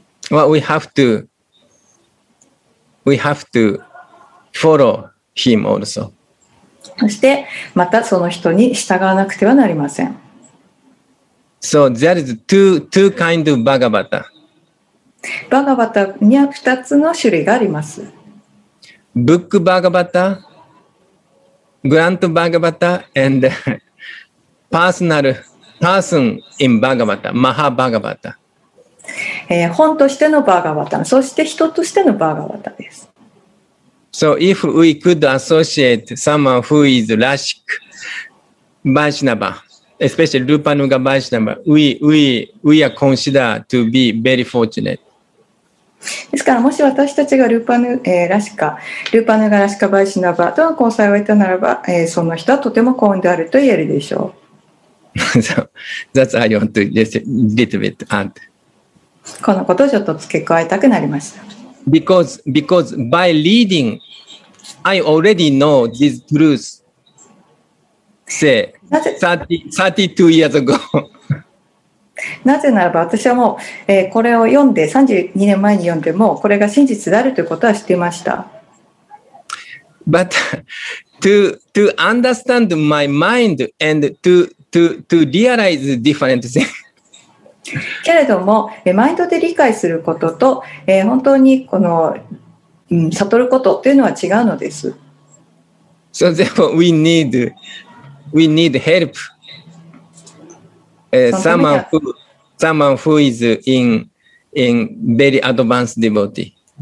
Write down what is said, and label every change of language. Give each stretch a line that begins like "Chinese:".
English: what we have to, we have to follow him also.
Japanese: そしてまたその人に従わなくてはなりません。
English: So there is two kind of Bhagavata.
Japanese: バガバタには二つの種類があります。
English: Book Bhagavata, Grant Bhagavata, and personal person in Bhagavata, Maha Bhagavata.
Japanese: 本としてのバガバタ、そして人としてのバガバタです。
English: So if we could associate someone who is Rashik Vaishnava, especially Rupa Nuga Vaishnava, we are considered to be very fortunate.
Japanese: ですからもし私たちがルーパヌ、ラシカ、ルーパヌガラシカバイシナバとの交際を得たならば、その人はとても幸運であると言えるでしょう。
English: So, that's how I want to just a little bit add.
Japanese: このことをちょっと付け加えたくなりました。
English: Because by reading, I already know this truth. Say, 32 years ago.
Japanese: なぜならば私はもう、これを読んで32年前に読んでもこれが真実であるということは知っていました。
English: But to understand my mind and to realize different things.
Japanese: けれどもマインドで理解することと、本当にこの、悟ることというのは違うのです。
English: So therefore we need help、someone who is in very advanced devotee。